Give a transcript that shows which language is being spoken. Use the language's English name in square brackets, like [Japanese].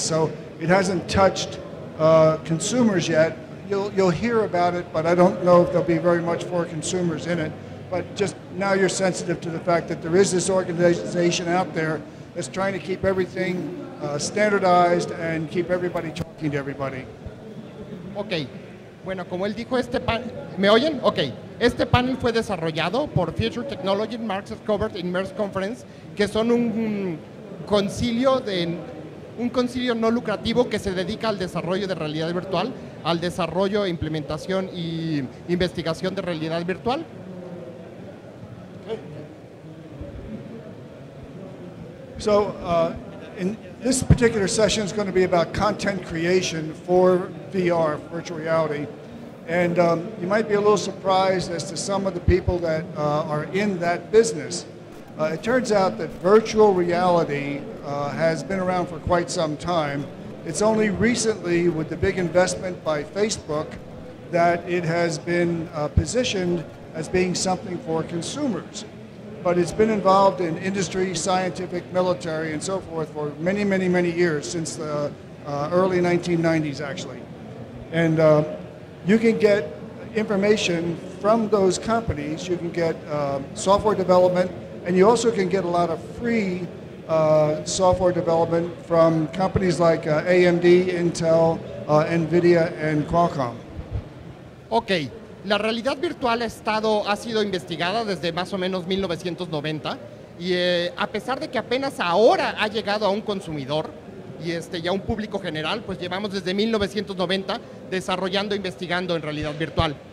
[English] So it hasn't touched consumers yet. You'll hear about it, but I don't know if there'll be very much for consumers in it. But just now you're sensitive to the fact that there is this organization out there is trying to keep everything standardized and keep everybody talking to everybody. Okay. [Spanish] Bueno, como él dijo, este panel, ¿me oyen? Okay. Este panel fue desarrollado por Future Technology Markets Covered Immersed Conference, que son un concilio no lucrativo que se dedica al desarrollo de realidad virtual, al desarrollo, implementación y investigación de realidad virtual. [English] So in this particular session is going to be about content creation for VR, virtual reality. And you might be a little surprised as to some of the people that are in that business. It turns out that virtual reality has been around for quite some time. It's only recently, with the big investment by Facebook, that it has been positioned as being something for consumers. But it's been involved in industry, scientific, military, and so forth for many, many, many years, since the early 1990s, actually. And you can get information from those companies. You can get software development, and you also can get a lot of free software development from companies like AMD, Intel, NVIDIA, and Qualcomm. Okay. [Spanish] La realidad virtual ha sido investigada desde más o menos 1990 y a pesar de que apenas ahora ha llegado a un consumidor y ya un público general, pues llevamos desde 1990 desarrollando e investigando en realidad virtual.